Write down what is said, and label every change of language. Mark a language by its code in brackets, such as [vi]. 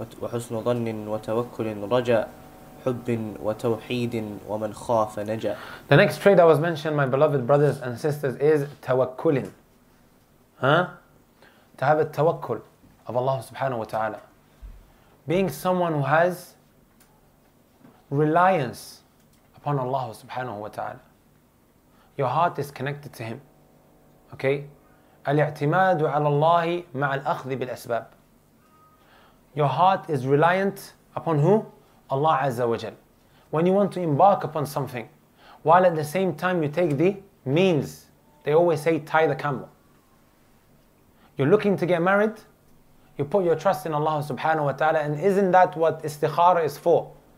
[ar] وحسن ظن وتوكل رجاء حب وتوحيد ومن خاف نجا. [en] The next trait that was mentioned, my beloved brothers and sisters, is توكل. To have a tawakkul of Allah subhanahu wa ta'ala. being someone who has reliance upon Allah subhanahu wa ta'ala. Your heart is connected to Him. Okay? [ar] الاعتماد على الله مع الأخذ بالأسباب. [en] Your heart is reliant upon who? Allah Azza wa Jal. When you want to embark upon something, while at the same time you take the means, they always say tie the camel. You're looking to get married, you put your trust in Allah subhanahu wa ta'ala, and isn't that what istikhara is for?